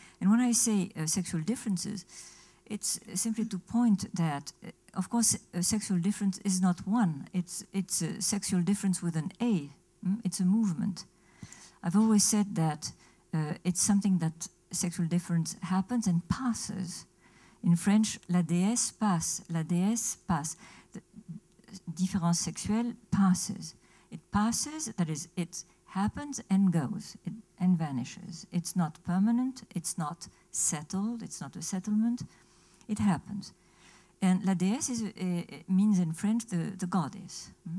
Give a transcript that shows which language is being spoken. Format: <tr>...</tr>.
<en>And when I say sexual differences, it's simply to point that, of course, a sexual difference is not one. It's a sexual difference with an A. It's a movement. I've always said that it's something that sexual difference happens and passes. In French,</en> <fr>la déesse passe, la déesse passe.</fr> <en>The</en> <fr>différence sexuelle</fr> <en>passes. It passes, that is, it happens and goes and vanishes. It's not permanent, it's not settled, it's not a settlement. It happens. And la déesse is, means in French the goddess.</en>